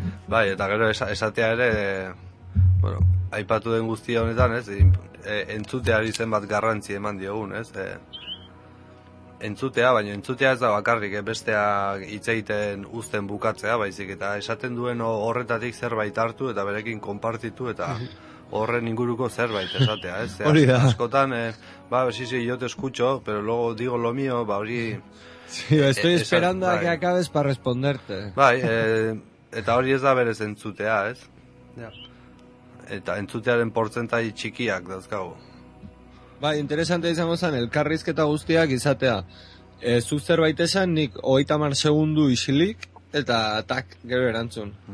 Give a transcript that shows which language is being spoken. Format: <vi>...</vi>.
<eu>Bai, eta gero esatea ere, bueno, aipatu den guztia honetan, ez, entzuteari zenbat garrantzi eman diogun, ez, entzutea, baina entzutea ez da bakarrik, besteak hitz egiten uzten bukatzea, baizik, eta esaten duen horretatik zerbait hartu eta berekin konpartitu eta horren inguruko zerbait esatea, ez? Hori da. Askotan, ba,</eu> <es>sí, yo te escucho, pero luego digo lo mío,</es> <eu>ba, hori...</eu> <es>Sí, estoy esperando a que acabes para responderte.</es> <eu>Bai, eta hori ez da berez entzutea, ez? Ja. Eta entzutearen portzentai txikiak dauzkagu. Ba, interesante izango zen, elkarrizketa guztiak izatea. Zu zerbait esan, nik 30 segundu isilik, eta tak, gero erantzun.</eu>